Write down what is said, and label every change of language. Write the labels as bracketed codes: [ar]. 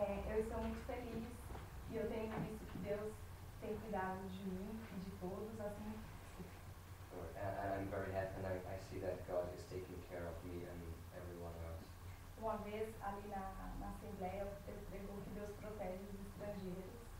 [pt] Eu estou muito feliz e eu tenho visto que Deus tem cuidado de mim e de todos, assim. [en] I'm very happy and I see that God is taking care of me and everyone else. [pt] Uma vez ali na assembleia eu pregou que Deus protege os estrangeiros.